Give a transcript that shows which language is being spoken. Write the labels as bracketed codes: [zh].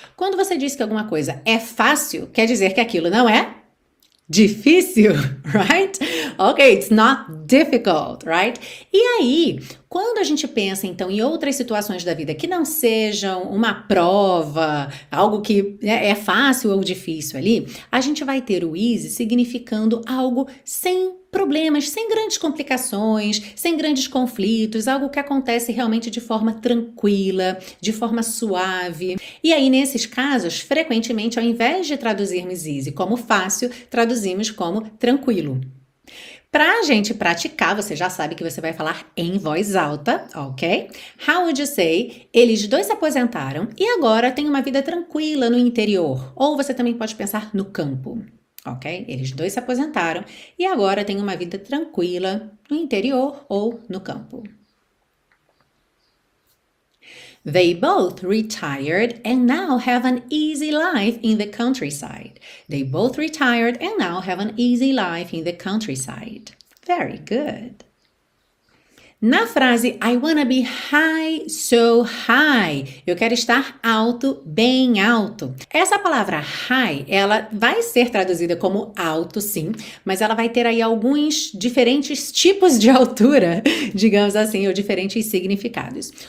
[pt] Quando você diz que alguma coisa é fácil, quer dizer que aquilo não é difícil, right? [en] Okay, it's not difficult, right? [pt] E aí, quando a gente pensa então em outras situações da vida que não sejam uma prova, algo que é fácil ou difícil ali, a gente vai ter o easy significando algo sem problemas, sem grandes complicações, sem grandes conflitos, algo que acontece realmente de forma tranquila, de forma suave. E aí, nesses casos, frequentemente, ao invés de traduzirmos easy como fácil, traduzimos como tranquilo. Para a gente praticar, você já sabe que você vai falar em voz alta, ok? [en] How would you say? [pt] Eles dois se aposentaram e agora têm uma vida tranquila no interior. Ou você também pode pensar no campo, ok? Eles dois se aposentaram e agora têm uma vida tranquila no interior ou no campo. [en] They both retired and now have an easy life in the countryside. They both retired and now have an easy life in the countryside. Very good. [pt] Na frase [en] I wanna be high, so high, [pt] eu quero estar alto, bem alto. Essa palavra high, ela vai ser traduzida como alto, sim, mas ela vai ter aí alguns diferentes tipos de altura, digamos assim, ou diferentes significados.